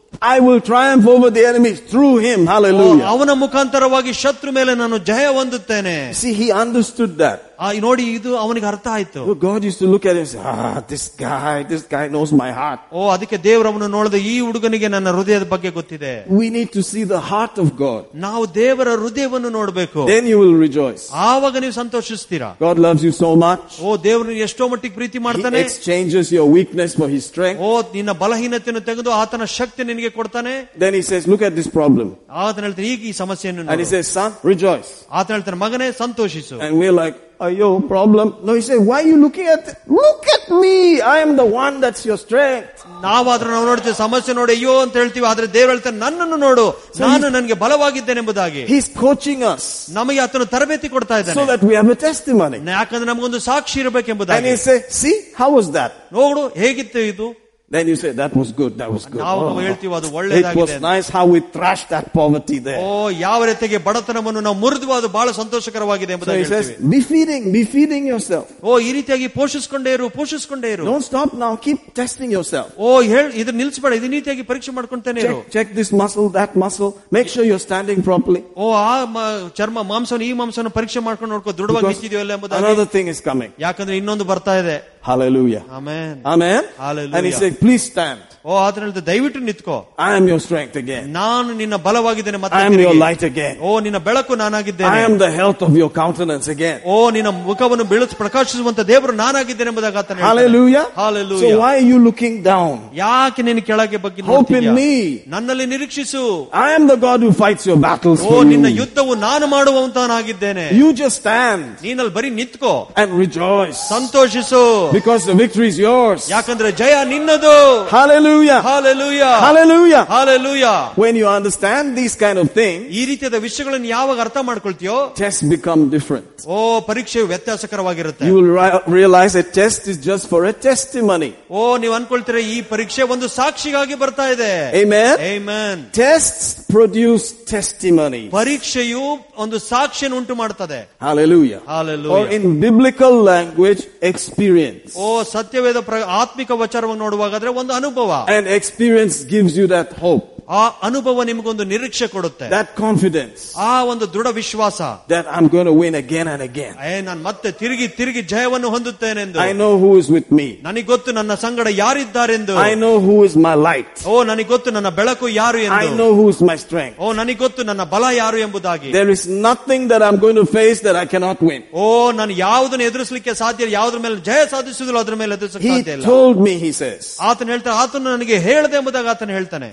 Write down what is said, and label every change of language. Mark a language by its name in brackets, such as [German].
[English] I will triumph over the enemies through him. Hallelujah. [Kannada] ಅವನ ಮುಖಾಂತರವಾಗಿ ಶತ್ರು ಮೇಲೆ ನಾನು ಜಯ ಹೊಂದುತ್ತೇನೆ. [English] See, he understood that. [Kannada] ನೋಡಿ, ಇದು ಅವನಿಗೆ ಅರ್ಥ ಆಯ್ತು. [English] God used to look at him and say, this guy knows my heart. [Kannada] ಓ, ಅದಕ್ಕೆ ದೇವರು ಅವನು ನೋಡಿದ, ಈ ಹುಡುಗನಿಗೆ ನನ್ನ ಹೃದಯದ ಬಗ್ಗೆ ಗೊತ್ತಿದೆ. [English] We need to see the heart of God. [Kannada] ನಾವು ದೇವರ ಹೃದಯವನ್ನು ನೋಡಬೇಕು. [English] Then you will rejoice. [Kannada] ಆವಾಗ ನೀವು ಸಂತೋಷಿಸ್ತೀರಾ. [English] God loves you so much. [Kannada] ಓ, ದೇವರು ಎಷ್ಟೋ ಮಟ್ಟಿಗೆ ಪ್ರೀತಿ ಮಾಡ್ತಾನೆ. [English] He exchanges your weakness for his strength. [Kannada] ಓ, ನಿನ್ನ ಬಲಹೀನತೆಯನ್ನು ತೆಗೆದು ಆತನ ಶಕ್ತಿ ನಿನಗೆ ಕೊಡ್ತಾನೆ. [English] Then he says, look at this problem. [Kannada] ಆತನ ಹೇಳ್ತಾನೆ, ಈಗ ಈ ಸಮಸ್ಯೆಯನ್ನು. [English] And he says, son, rejoice. [Kannada] ಆತನ ಹೇಳ್ತಾನೆ, ಮಗನೇ ಸಂತೋಷಿಸು. [English] And we're like, ayo, problem. No, he said, why are you looking at this? Look at me. I am the one that's your strength. [Kannada] ನಾವಾದ್ರೆ ನಾವು ನೋಡ್ತೀವಿ ಸಮಸ್ಯೆ ನೋಡಿ ಅಯ್ಯೋ ಅಂತ ಹೇಳ್ತೀವಿ, ಆದ್ರೆ ದೇವ್ ಹೇಳ್ತಾರೆ ನನ್ನನ್ನು ನೋಡು, ನಾನು ನನಗೆ ಬಲವಾಗಿದ್ದೇನೆ ಎಂಬುದಾಗಿ. [English] he's coaching us, [Kannada] ನಮಗೆ ಆತನು ತರಬೇತಿ ಕೊಡ್ತಾ ಇದ್ದಾನೆ, ಯಾಕಂದ್ರೆ ನಮಗೊಂದು ಸಾಕ್ಷಿ ಇರಬೇಕೆಂಬುದಾಗಿ. [English] See, how was that? [Kannada] ನೋಡು ಹೇಗಿತ್ತು ಇದು. [English] Then you say, that was good, that was good. [Kannada] ನಾವು ಹೇಳ್ತೀವಿ ಅದು ಒಳ್ಳೆಯ. [English] It was nice how we thrashed that poverty there. [Kannada] ಓ, ಯಾವ ರೀತಿಗೆ ಬಡತನವನ್ನು ನಾವು ಮುರಿದ್ವೋ ಅದು ಬಹಳ ಸಂತೋಷಕರವಾಗಿದೆ ಎಂಬುದಾಗಿ. [English] Be feeding yourself. [Kannada] ಓ, ಈ ರೀತಿಯಾಗಿ ಪೋಷಿಸಿಕೊಂಡೇರು. [English] Don't stop now, keep testing yourself. [Kannada] ಓ, ಹೇಳಿ ಇದು ನಿಲ್ಸಬೇಡ, ಇದು ರೀತಿಯಾಗಿ ಪರೀಕ್ಷೆ ಮಾಡ್ಕೊಂತಾನೆ. [English] Check this muscle, that muscle, make sure you're standing properly. [Kannada] ಓ, ಆ ಚರ್ಮ ಮಾಂಸವನ್ನು ಈ ಮಾಂಸವನ್ನು ಪರೀಕ್ಷೆ ಮಾಡ್ಕೊಂಡು ನೋಡ್ಕೋ, ದೃಢವಾಗಿ ನಿಂತಿದೆಯಲ್ಲ ಎಂಬುದಾಗಿ. [English] Another thing is coming. [Kannada] ಯಾಕಂದ್ರೆ ಇನ್ನೊಂದು ಬರ್ತಾ ಇದೆ. [English] Hallelujah. Amen. Amen. Hallelujah. And he said, please stand. [Kannada] ಓ, ಆದ್ರೆ ದಯವಿಟ್ಟು ನಿಂತ್ಕೋ. [English] I am your strength again. [Kannada] ನಾನು ನಿನ್ನ ಬಲವಾಗಿದ್ದೇನೆ ಮತ್ತೆ. [English] I am your light again. [Kannada] ಓ, ನಿನ್ನ ಬೆಳಕು ನಾನಾಗಿದ್ದೇನೆ. [English] I am the health of your countenance again. [Kannada] ಓ, ನಿನ್ನ ಮುಖವನ್ನು ಬೆಳೆಸಿ ಪ್ರಕಾಶಿಸುವಂತ ದೇವರು ನಾನಾಗಿದ್ದೇನೆ ಎಂಬುದಾಗಿ ಆತನು. [English] Hallelujah. Hallelujah. So why are you looking down? [Kannada] ಯಾಕೆ ನಿನ್ನ ಕೆಳಗೆ ಬಗ್ಗೆ ನೋಡ್ತೀಯಾ? [English] Hope in me. [Kannada] ನನ್ನಲ್ಲಿ ನಿರೀಕ್ಷಿಸು. [English] I am the God who fights your battles. [Kannada] ಓ, ನಿನ್ನ ಯುದ್ಧವು ನಾನು ಮಾಡುವಂತನಾಗಿದ್ದೇನೆ. [English] You just stand. [Kannada] ನೀನಲ್ಲಿ ಬರೀ ನಿಂತ್ಕೋ. [English] And rejoice. [Kannada] ಸಂತೋಷಿಸು. [English] Because the victory is yours. [Kannada] ಯಾಕಂದ್ರೆ ಜಯ ನಿನ್ನದು. [English] Hallelujah. Hallelujah. Hallelujah. Hallelujah. When you understand these kind of things, [Kannada] ಈ ರೀತಿಯಾದ ವಿಷಯಗಳನ್ನು ಯಾವಾಗ ಅರ್ಥ ಮಾಡ್ಕೊಳ್ತೀಯೋ, [English] test become different. [Kannada] ಓ, ಪರೀಕ್ಷೆ ವ್ಯತ್ಯಾಸಕರವಾಗಿರುತ್ತೆ. [English] You will realize a test is just for a testimony. [Kannada] ಓ, ನೀವು ಅನ್ಕೊಳ್ತೀರಾ ಈ ಪರೀಕ್ಷೆ ಒಂದು ಸಾಕ್ಷಿಗಾಗಿ ಬರ್ತಾ ಇದೆ. [English] Amen. Amen. Tests produce testimony. [Kannada] ಪರೀಕ್ಷೆಯು ಒಂದು ಸಾಕ್ಷಿಯನ್ನು ಉಂಟು ಮಾಡುತ್ತದೆ. [English] Hallelujah. Hallelujah. Or in biblical language, experience. [Kannada] ಓ, ಸತ್ಯವೇದ ಆತ್ಮಿಕ ವಚನವನ್ನು ನೋಡುವಾಗಾದ್ರೆ ಒಂದು ಅನುಭವ. [English] And experience gives you that hope. [Kannada] ಆ ಅನುಭವ ನಿಮಗೊಂದು ನಿರೀಕ್ಷೆ ಕೊಡುತ್ತೆ. [English] That confidence. [Kannada] ಆ ಒಂದು ದೃಢ ವಿಶ್ವಾಸ. [English] That I'm going to win again and again. [Kannada] ಏ, ನಾನು ಮತ್ತೆ ತಿರುಗಿ ತಿರುಗಿ ಜಯವನ್ನು ಹೊಂದುತ್ತೇನೆ ಎಂದು. [English] I know who is with me. [Kannada] ನನಗೆ ಗೊತ್ತು ನನ್ನ ಸಂಗಡ ಯಾರಿದ್ದಾರೆಂದು. [English] I know who is my light. [Kannada] ಓ, ನನಗೆ ಗೊತ್ತು ನನ್ನ ಬೆಳಕು ಯಾರು ಎಂದು. [English] I know who is my strength. [Kannada] ಓ, ನನಗೆ ಗೊತ್ತು ನನ್ನ ಬಲ ಯಾರು ಎಂಬುದಾಗಿ. [English] There is nothing that I'm going to face that I cannot win. [Kannada] ಓ, ನಾನು ಯಾವುದನ್ನು ಎದುರಿಸಲಿಕ್ಕೆ ಸಾಧ್ಯ, ಯಾವುದರ ಮೇಲೆ ಜಯ ಸಾಧಿಸಿದ್ರು ಅದರ ಮೇಲೆ ಎದುರಿಸ ಸಾಧ್ಯ ಇಲ್ಲ. [English] He told me, he says. [Kannada] ಆತನು ಹೇಳ್ತಾ, ಆತನು ನನಗೆ ಹೇಳಿದೆ ಎಂಬುದಾಗಿ ಆತನು ಹೇಳ್ತಾನೆ.